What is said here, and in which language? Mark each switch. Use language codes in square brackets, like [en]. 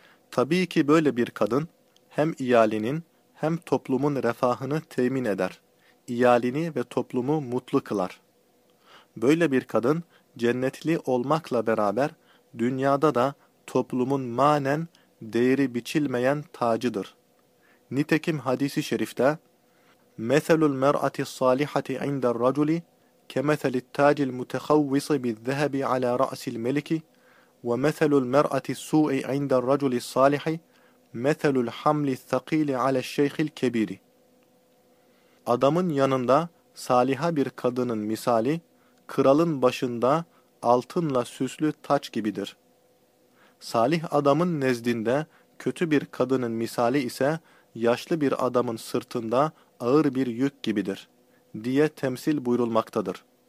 [tr] Tabii ki böyle bir kadın, hem iyalinin hem toplumun refahını temin eder. İyalini ve toplumu mutlu kılar. Böyle bir kadın, cennetli olmakla beraber, dünyada da toplumun manen değeri biçilmeyen tacıdır. Nitekim hadisi şerifte, [ar] مَثَلُ الْمَرْأَةِ الصَّالِحَةِ عِنْدَ الرَّجُلِ كَمَثَلِ التَّاجِ الْمُتَخَوِّصِ بِالذَّهَبِ عَلَى رَأْسِ الْمَلِكِ وَمَثَلُ الْمَرْأَةِ السُّوءِ عِنْدَ الرَّجُلِ الصَّالِحِ مَثَلُ الْحَمْلِ الثَّقِيلِ عَلَى الشَّيْخِ الْكَبِيرِ. [tr] Adamın yanında saliha bir kadının misali, kralın başında altınla süslü taç gibidir. Salih adamın nezdinde kötü bir kadının misali ise yaşlı bir adamın sırtında ağır bir yük gibidir diye temsil buyurulmaktadır.